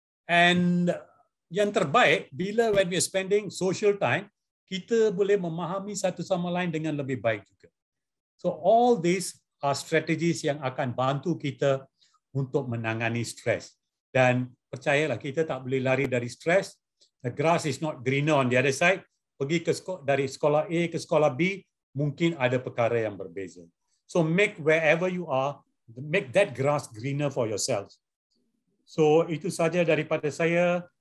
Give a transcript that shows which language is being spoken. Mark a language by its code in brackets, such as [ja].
[ms] And yang terbaik bila [en] when we're spending social time, [ms] kita boleh memahami satu sama lain dengan lebih baik juga. [en] So all these are strategies [ms] yang akan bantu kita untuk menangani stres. Dan percayalah, kita tak boleh lari dari stres. [en] The grass is not greener on the other side. [ms] Pergi ke dari sekolah A ke sekolah B, mungkin ada perkara yang berbeza. [en] So make wherever you are, make that grass greener for yourselves. [ms] So itu saja daripada saya.